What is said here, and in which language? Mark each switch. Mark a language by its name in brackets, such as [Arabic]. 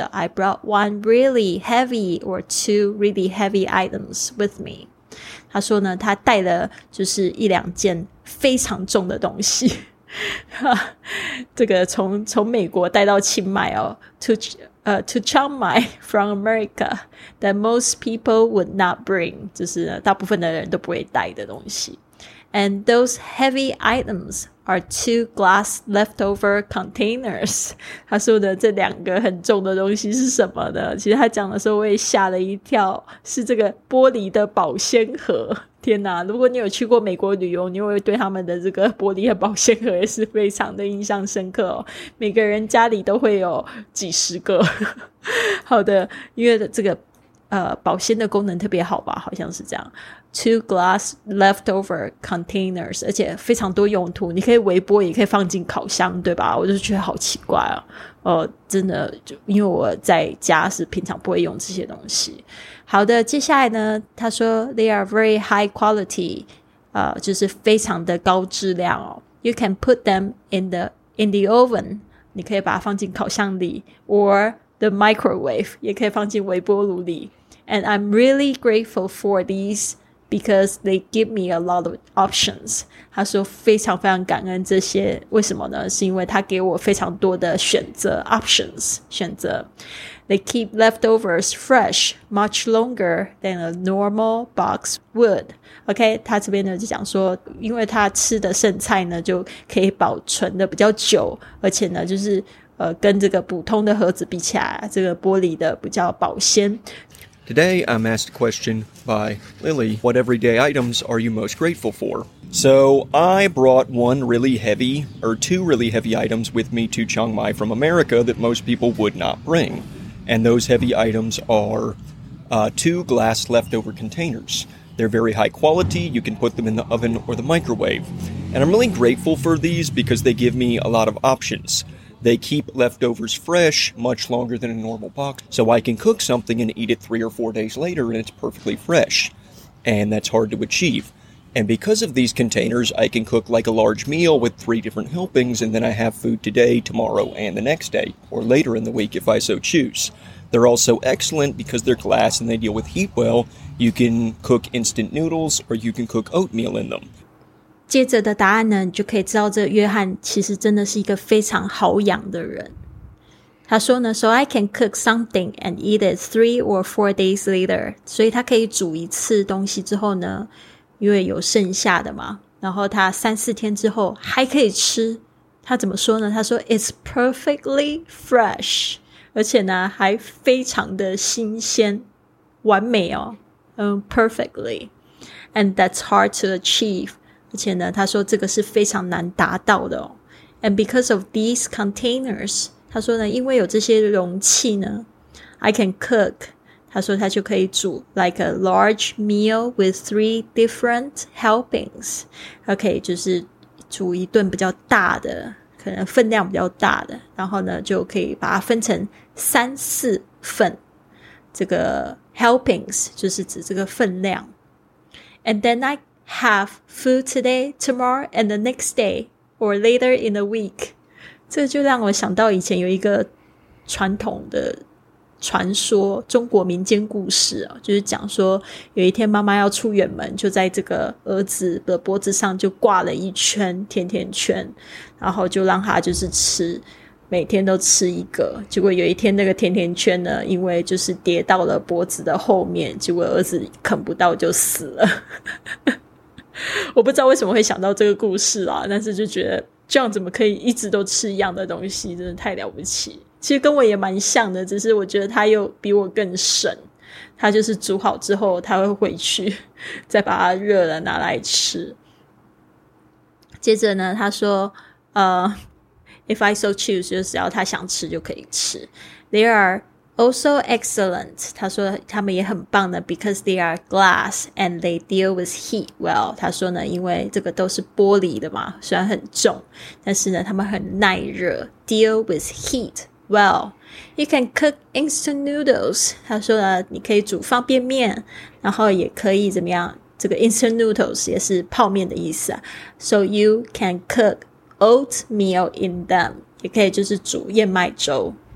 [English] I brought one really heavy or two really heavy items with me. [Chinese] 他说呢他带了就是一两件非常重的东西。这个从美国带到清迈哦， [English] to Chiang Mai from America that most people would not bring, [Chinese] 就是大部分的人都不会带的东西。 [English] And those heavy items are two glass leftover containers. [Chinese] 他说的这两个很重的东西是什么呢？其实他讲的时候我也吓了一跳，是这个玻璃的保鲜盒。天哪，如果你有去过美国旅游，你会对他们的这个玻璃的保鲜盒也是非常的印象深刻哦。每个人家里都会有几十个。好的，因为这个保鲜的功能特别好吧，好像是这样。 [English] Two glass leftover containers, [Chinese] 而且非常多用途，你可以微波也可以放进烤箱，对吧？我就觉得好奇怪啊。真的，就因为我在家是平常不会用这些东西。好的，接下来呢，他说 [English] They are very high quality, [Chinese] 就是非常的高质量哦。 [English] You can put them in the oven, [Chinese] 你可以把它放进烤箱里 , [English] or the microwave, [Chinese] 也可以放进微波炉里。 [English] And I'm really grateful for these,Because they give me a lot of options. [Chinese] 他说非常非常感恩这些，为什么呢？是因为他给我非常多的选择 options 选择。 [English] They keep leftovers fresh much longer than a normal box would. [Chinese] OK, 他这边呢就讲说因为他吃的剩菜呢就可以保存的比较久，而且呢就是跟这个普通的盒子比起来，这个玻璃的比较保鲜。 [English] Today, I'm asked a question by Lily. What everyday items are you most grateful for? So, I brought two really heavy items with me to Chiang Mai from America that most people would not bring. And those heavy items are two glass leftover containers. They're very high quality. You can put them in the oven or the microwave. And I'm really grateful for these because they give me a lot of options. They keep leftovers fresh much longer than a normal box, so I can cook something and eat it 3 or 4 days later and it's perfectly fresh. And that's hard to achieve. And because of these containers, I can cook like a large meal with 3 different helpings and then I have food today, tomorrow, and the next day, or later in the week if I so choose. They're also excellent because they're glass and they deal with heat well. You can cook instant noodles or you can cook oatmeal in them. [Chinese] 接着的答案呢，你就可以知道这个约翰其实真的是一个非常好养的人。他说呢 [English] So I can cook something and eat it 3 or 4 days later. [Chinese] 所以他可以煮一次东西之后呢，因为有剩下的嘛，然后他3-4天之后还可以吃。他怎么说呢？ [English] 他说 It's perfectly fresh. [Chinese] 而且呢还非常的新鲜，完美哦。 [English] Perfectly. And that's hard to achieve. [Chinese] 而且呢他说这个是非常难达到的哦。 [English] And because of these containers, [Chinese] 他说呢因为有这些容器呢 [English] I can cook, [Chinese] 他说他就可以煮 [English] like a large meal with 3 different helpings. [Chinese] OK, 就是煮一顿比较大的可能分量比较大的然后呢就可以把它分成3-4份。这个 helpings, 就是指这个分量。 [English] And then I,Have food today, tomorrow, and the next day, or later in a week. [Chinese] 这就让我想到以前有一个传统的传说，中国民间故事啊，就是讲说有一天妈妈要出远门，就在这个儿子的脖子上就挂了一圈甜甜圈，然后就让他就是吃，每天都吃一个。结果有一天那个甜甜圈呢，因为就是跌到了脖子的后面，结果儿子啃不到就死了。我不知道为什么会想到这个故事啦，但是就觉得这样怎么可以一直都吃一样的东西，真的太了不起。其实跟我也蛮像的，只是我觉得他又比我更省。他就是煮好之后他会回去再把它热了拿来吃。接着呢他说 [English] If I so choose, [Chinese] 就是只要他想吃就可以吃。 [English] There areAlso excellent, [Chinese] 他说他们也很棒的 [English] because they are glass and they deal with heat well. [Chinese] 他说呢因为这个都是玻璃的嘛虽然很重但是呢他们很耐热 [English] deal with heat well. You can cook instant noodles, [Chinese] 他说呢你可以煮方便面然后也可以怎么样这个 instant noodles 也是泡面的意思啊 [English] So you can cook oatmeal in them, [Chinese] 也可以就是煮燕麦粥。